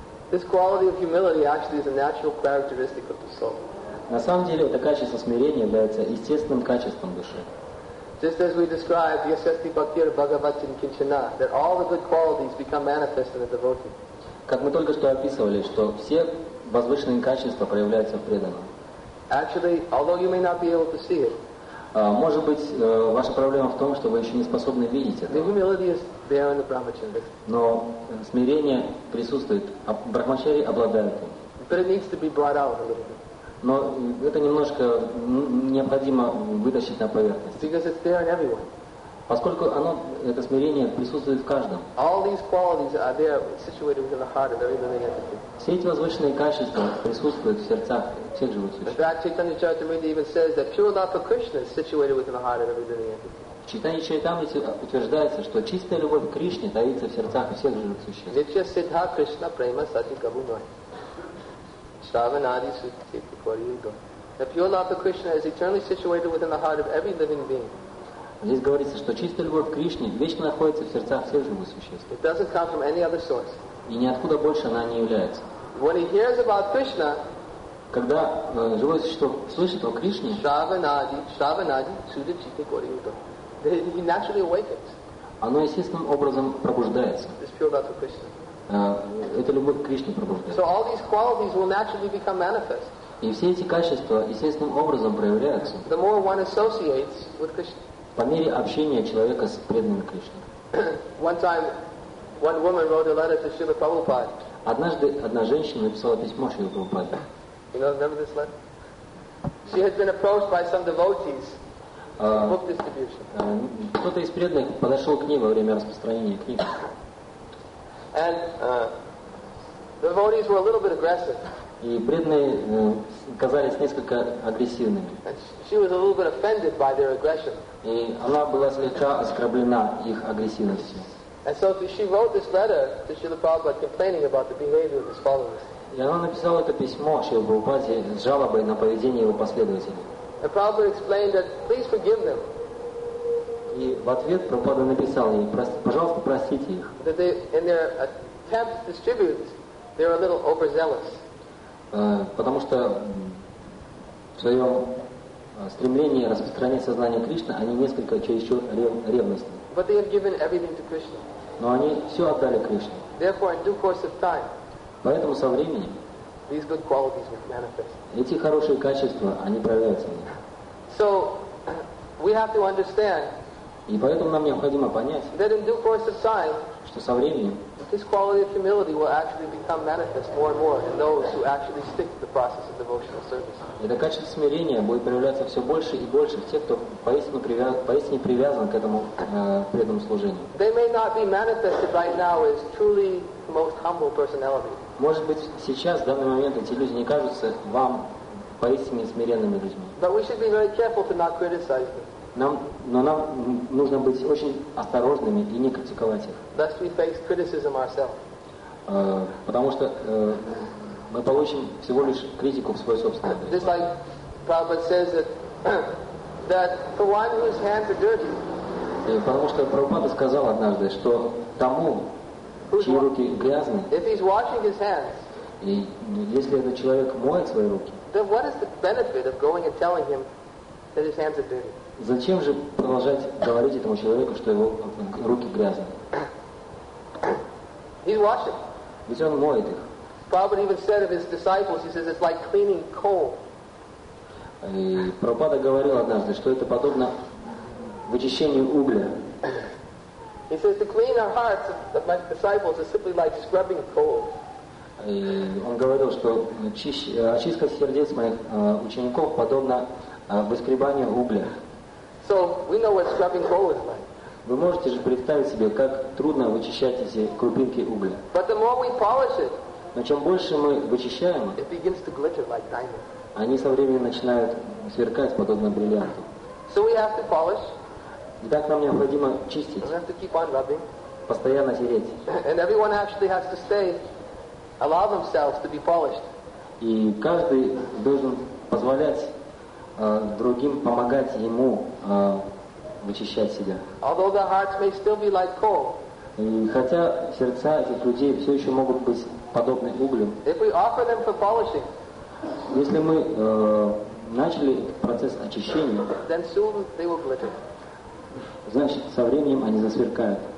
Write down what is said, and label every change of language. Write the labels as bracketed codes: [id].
[en] This quality of humility actually is a natural characteristic of the soul. [ru] На самом деле, это качество смирения является естественным качеством души. [en] Just as we described, [sa] Yasasti Bhaktir Bhagavatin Kinchana, [en] that all the good qualities become manifest in the devotee. [ru] Как мы только что описывали, что все возвышенные качества проявляются в преданном. [en] Actually, although you may not be able to see it, [ru] может быть, ваша проблема в том, что вы еще не способны видеть это. [en] The humility is there in the brahmacharis. [ru] Но смирение присутствует, а брахмачари обладают им. [en] But it needs to be brought out a little bit. [ru] Но это немножко необходимо вытащить на поверхность. [en] Because it's there in everyone. [ru] Поскольку оно, это смирение присутствует в каждом. [en] All these qualities are there, situated within the heart of every living entity. [ru] Все эти возвышенные качества присутствуют в сердцах всех живущих. [en] In fact, Chaitanya Charitamrita even says that pure love for Krishna is situated within the heart of every living entity. [ru] В Читании Чайтамрити утверждается, что чистая любовь к Кришне таится в сердцах всех живых существ. Ведь сейчас Сиддха Кришна Прайма Сати Кабунай. Шраванади Сути Кварига. [en] The pure love for Krishna is eternally situated within the heart of every living being. [ru] Здесь говорится, что чистая любовь к Кришне вечно находится в сердцах всех живых существ. [en] It doesn't come from any other source. [ru] И ниоткуда больше она не является. [en] When he hears about Krishna, [ru] когда живое существо слышит о Кришне, Шраванади, Шраванади, Сути Чити Кварига. [en] He naturally awakens. [ru] Оно естественным образом пробуждается. [en] This pure love for Krishna. [ru] Это любовь к Кришне пробуждается. [en] So all these qualities will naturally become manifest. [ru] И все эти качества естественным образом проявляются. [en] The more one associates with Krishna. [ru] По мере общения человека с преданным Кришной. [en] One time, one woman wrote a letter to Srila Prabhupada. [ru] Однажды одна женщина написала письмо Шриле Прабхупаде. [en] You know, remember this letter? She had been approached by some devotees. Book distribution. [ru] Кто-то из преданных подошел к ней во время распространения книг. [en] And the devotees were a little bit aggressive. [ru] И преданные казались несколько агрессивными. [en] She was a little bit offended by their aggression. [ru] И она была слегка оскорблена их агрессивностью. [en] And so she wrote this letter to Srila Prabhupada complaining about the behavior of his followers. [ru] И она написала это письмо Шриле Прабхупаде с жалобой на поведение его последователей. [en] And Prabhupada explained that, please forgive them. [ru] И в ответ Прабхупада написал ей, пожалуйста, простите их. [en] That they, in their attempt to distribute, they were a little overzealous. [ru] Потому что в своем стремлении распространять сознание Кришны, они несколько чересчур ревностны. [en] But they have given everything to Krishna. [ru] Но они все отдали Кришне. [en] Therefore, in due course of time, [ru] поэтому со временем [en] these good qualities will manifest. [ru] Эти хорошие качества, они проявятся. [en] So, we have to understand [ru] И поэтому нам необходимо понять, [en] that in due course of time, [ru] что со временем [en] this quality of humility will actually become manifest more and more in those who actually stick to the process of devotional service. [ru] Это качество смирения будет проявляться все больше и больше в тех, кто поистине привязан к этому преданному служению. [en] They may not be manifested right now as truly most humble personality. [ru] Может быть, сейчас, в данный момент, эти люди не кажутся вам поистине смиренными людьми. [en] But we should be very careful to not criticize them. [ru] Нам нужно быть очень осторожными и не критиковать их. [en] Lest we face criticism ourselves. [ru] Потому что мы получим всего лишь критику в свой собственный адрес. [en] Just like Prabhupada says that for one whose hands are dirty. [ru] Потому что Прабхупада сказал однажды, что тому, чьи руки грязны, [en] if he's washing his hands, [ru] и если этот человек моет свои руки, [en] then what is the benefit of going and telling him that his hands are dirty? [ru] Зачем же продолжать говорить этому человеку, что его руки грязны? [en] He's washing. [ru] Ведь он моет их. [en] Prabhupada even said of his disciples, he says it's like cleaning coal. [ru] И Прабхупада говорил однажды, что это подобно вычищению угля. [en] He says to clean our hearts of my disciples is simply like scrubbing coal. [ru] И он говорил, что очистка сердец моих учеников подобно выскребанию угля. [en] So we know what scrubbing coal is like. [ru] Вы можете же представить себе, как трудно вычищать эти крупинки угля. [en] But the more we polish it, [ru] но чем больше мы вычищаем, [en] it begins to glitter like diamond. [ru] Они со временем начинают сверкать подобно бриллианту. [en] So we have to polish. [ru] Итак, нам необходимо чистить. [en] We have to keep on rubbing. [ru] Постоянно тереть. [en] And everyone actually has to stay, allow themselves to be polished. [ru] И каждый должен позволять другим помогать ему вычищать себя. [en] Although their hearts may still be like coal, [ru] и хотя сердца этих людей все еще могут быть подобны углю, [en] if we offer them for polishing, [ru] если мы начали процесс очищения, [en] then soon they will glitter. [ru] Значит, со временем они засверкают.